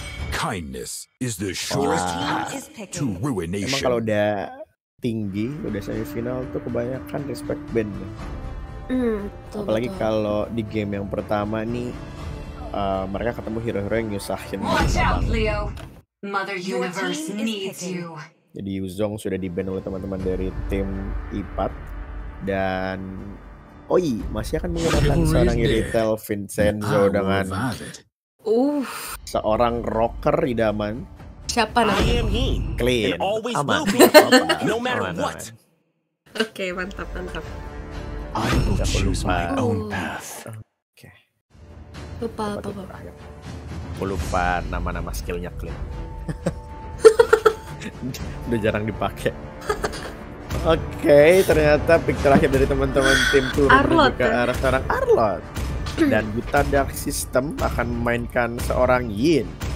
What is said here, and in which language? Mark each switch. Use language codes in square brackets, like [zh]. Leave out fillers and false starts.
[en] Kindness is the surest path to ruination. [id] Emang kalau udah tinggi, udah semifinal tuh kebanyakan respect ban. Apalagi kalau di game yang pertama nih mereka ketemu hero-hero yang nyusahin. [en] Watch out, Leo. Mother Universe needs you. [id] Jadi Yuzhong sudah di-ban oleh teman-teman dari tim Ipat dan Oi masih akan menggunakan seorang Irithel Vincenzo dengan seorang rocker idaman. Siapa namanya? [en] Clean. [id] Aman. [en] No matter what. [id] Oke, mantap. [en] I will choose my own path. [id] Oke. Lupa apa? Aku lupa nama-nama skillnya Clean. Udah jarang dipakai. Oke, ternyata pick terakhir dari teman-teman tim Turu menuju ke arah sekarang Arlott. Dan Buta Dark System akan memainkan seorang Yin.